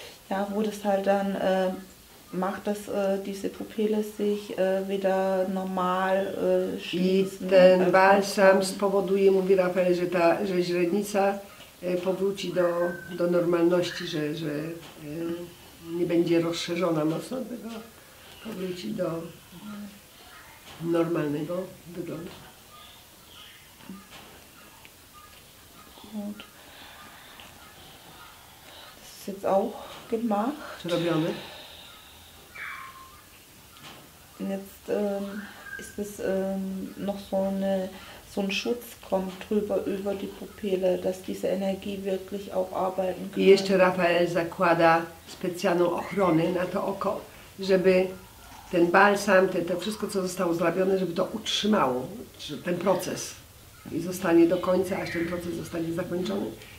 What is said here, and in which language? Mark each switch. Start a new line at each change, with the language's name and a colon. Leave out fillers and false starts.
German: ja, wo das halt dann macht, dass diese Pupille sich wieder normal schließt. Und
Polish: ten Balsam spowoduje, mówi Rafael, że ta, że źrenica powróci do normalności, że nie będzie rozszerzona mocno, tylko powróci do normalnego wyglądu.
German: Gut. Das ist jetzt auch gemacht.
Polish: Zrobione.
German: Und jetzt ist es noch so eine, so ein Schutz kommt drüber über die Pupille, dass diese Energie wirklich auch arbeiten kann.
Polish: I jeszcze Rafael zakłada specjalną ochronę na to oko, żeby ten balsam, to wszystko, co zostało zrobione, żeby to utrzymało, ten proces. I zostanie do końca, aż ten proces zostanie zakończony.